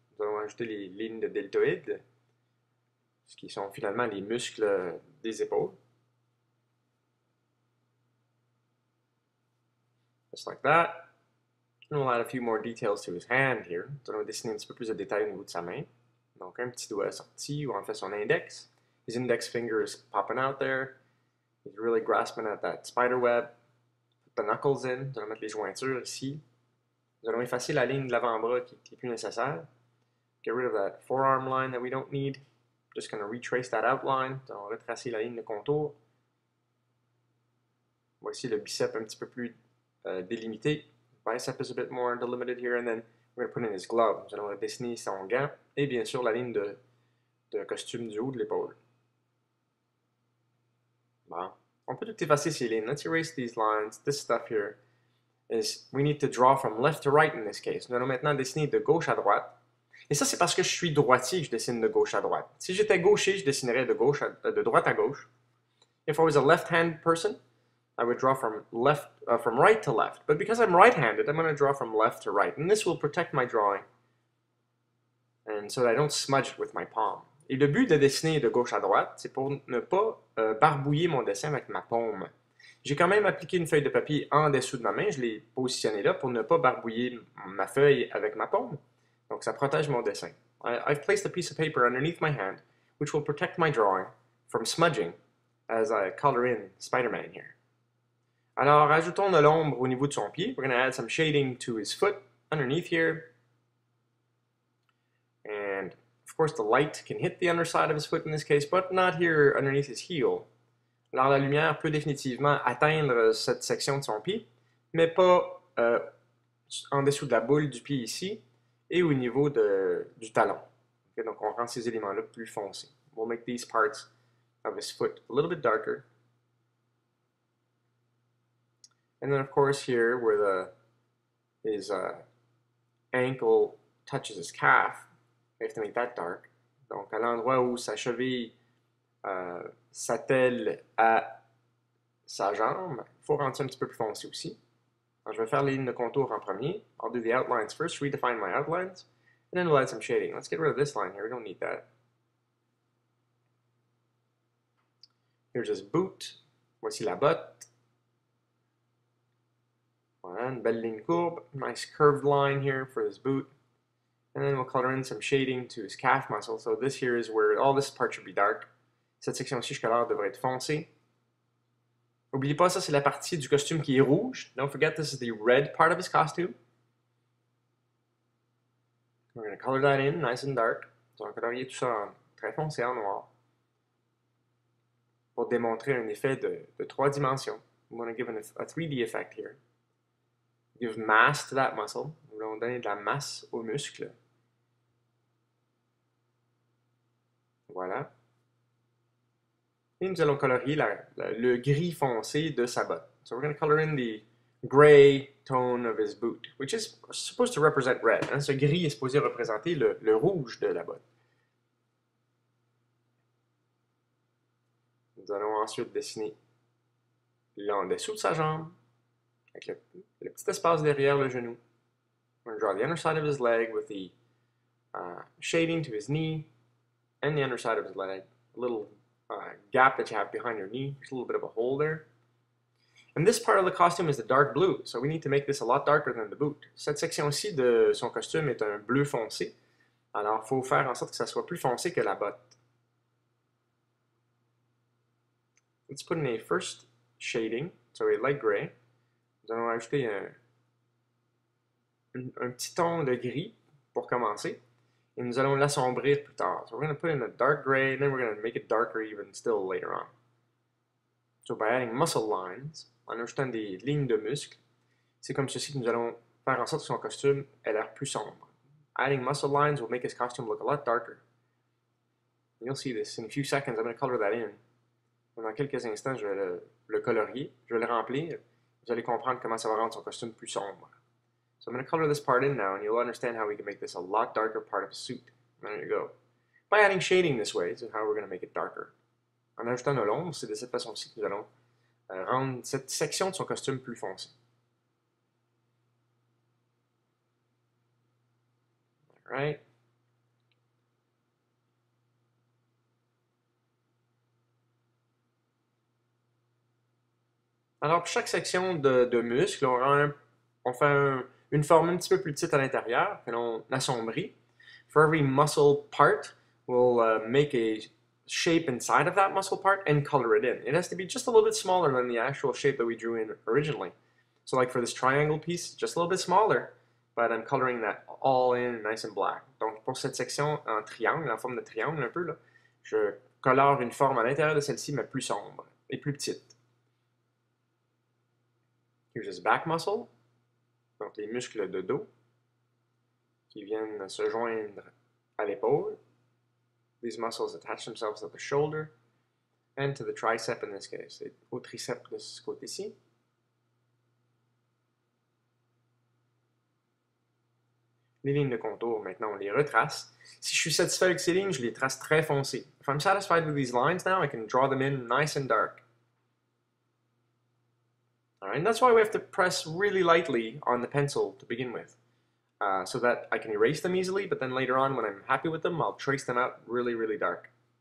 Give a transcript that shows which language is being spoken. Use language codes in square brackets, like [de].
[fr] Nous allons ajouter les lignes de deltoïdes, ce qui sont finalement les muscles des épaules. [en] Just like that. And we'll add a few more details to his hand here. [fr] Nous allons dessiner un petit peu plus de détails au niveau de sa main. Donc un petit doigt sorti où on fait son index. [en] His index finger is popping out there. He's really grasping at that spider web. Put the knuckles in. [fr] Nous allons mettre les jointures ici. Nous allons effacer la ligne de l'avant-bras qui n'est plus nécessaire. [en] Get rid of that forearm line that we don't need. Just going to retrace that outline. [fr] Nous allons retracer la ligne de contour. Voici le bicep un petit peu plus délimité. [en] Bicep is a bit more delimited here. And then we're going to put in his glove. [fr] Nous allons redessiner son gant. Et bien sûr, la ligne de costume du haut de l'épaule. Bon. On peut tout effacer ces lignes. [en] Let's erase these lines. This stuff here is we need to draw from left to right in this case. [fr] Nous allons maintenant dessiner de gauche à droite. Et ça, c'est parce que je suis droitier que je dessine de gauche à droite. Si j'étais gaucher, je dessinerais de droite à gauche. [en] If I was a left-hand person, I would draw from right to left. But because I'm right-handed, I'm going to draw from left to right. And this will protect my drawing. And so that I don't smudge it with my palm. [fr] Et le but de dessiner de gauche à droite, c'est pour ne pas barbouiller mon dessin avec ma paume. J'ai quand même appliqué une feuille de papier en dessous de ma main. Je l'ai positionné là pour ne pas barbouiller ma feuille avec ma paume. Donc, ça protège mon dessin. [en] I've placed a piece of paper underneath my hand, which will protect my drawing from smudging as I color in Spider-Man here. [fr] Alors, ajoutons de l'ombre au niveau de son pied. [en] We're going to add some shading to his foot underneath here. And, of course, the light can hit the underside of his foot in this case, but not here underneath his heel. [fr] Alors, la lumière peut définitivement atteindre cette section de son pied, mais pas en dessous de la boule du pied ici. Et au niveau du talon. Okay, donc, on rend ces éléments-là plus foncés. [en] We'll make these parts of his foot a little bit darker. And then, of course, here where his ankle touches his calf, we have to make that dark. [fr] Donc, à l'endroit où sa cheville s'attelle à sa jambe, il faut rendre ça un petit peu plus foncé aussi. Alors, je vais faire les lignes de contour en premier. [en] I'll do the outlines first, redefine my outlines, and then we'll add some shading. Let's get rid of this line here, we don't need that. Here's his boot. [fr] Voici la botte. Voilà, une belle ligne courbe. [en] Nice curved line here for his boot. And then we'll color in some shading to his calf muscle. So this here is where all this part should be dark. [fr] Cette section aussi jusqu'à l'heure devrait être foncée. N'oubliez pas, ça c'est la partie du costume qui est rouge. [en] Don't forget, this is the red part of his costume. We're going to color that in, nice and dark. [fr] On va colorier tout ça en très foncé, en noir. Pour démontrer un effet de trois dimensions. [en] We're going to give a 3D effect here. Give mass to that muscle. [fr] Nous allons donner de la masse au muscle. Voilà. Et nous allons colorier le gris foncé de sa botte. [en] So we're going to color in the gray tone of his boot, which is supposed to represent red. [fr] Hein? Ce gris est supposé représenter le rouge de la botte. Nous allons ensuite dessiner l'en dessous de sa jambe, avec le petit espace derrière le genou. [en] We're going to draw the underside of his leg with the shading to his knee and the underside of his leg, a little gap that you have behind your knee. There's a little bit of a hole there. And this part of the costume is the dark blue, so we need to make this a lot darker than the boot. [fr] Cette section aussi de son costume est un bleu foncé. Alors, faut faire en sorte que ça soit plus foncé que la botte. [en] Let's put in a first shading, so a light gray. [fr] Nous allons ajouter un petit ton de gris pour commencer. Et nous allons l'assombrir plus tard. [en] So we're going to put in a dark gray, and then we're going to make it darker even still later on. So by adding muscle lines, [fr] en ajoutant des lignes de muscles, c'est comme ceci que nous allons faire en sorte que son costume ait l'air plus sombre. [en] Adding muscle lines will make his costume look a lot darker. And you'll see this in a few seconds. I'm going to color that in. [fr] Et dans quelques instants, je vais le colorier, je vais le remplir. Vous allez comprendre comment ça va rendre son costume plus sombre. [en] So I'm going to color this part in now, and you'll understand how we can make this a lot darker part of a suit. There you go. By adding shading this way, this is how we're going to make it darker. [fr] En ajoutant de l'ombre, c'est de cette façon-ci que nous allons rendre cette section de son costume plus foncé. [en] Alright. [fr] Alors, pour chaque section de muscles, on fait une forme un petit peu plus petite à l'intérieur, que l'on assombrit. [en] For every muscle part, we'll make a shape inside of that muscle part and color it in. It has to be just a little bit smaller than the actual shape that we drew in originally. So like for this triangle piece, just a little bit smaller, but I'm coloring that all in nice and black. [fr] Donc pour cette section en triangle, en forme de triangle un peu, là, je colore une forme à l'intérieur de celle-ci, mais plus sombre et plus petite. [en] Here's his back muscle. [fr] Donc les muscles de dos qui viennent se joindre à l'épaule. [en] These muscles attach themselves to the shoulder and to the tricep in this case. [fr] Et au triceps de ce côté-ci. Les lignes de contour, maintenant on les retrace. Si je suis satisfait avec ces lignes, je les trace très foncées. [en] If I'm satisfied with these lines now, I can draw them in nice and dark. And that's why we have to press really lightly on the pencil to begin with, so that I can erase them easily, but then later on, when I'm happy with them, I'll trace them out really, really dark.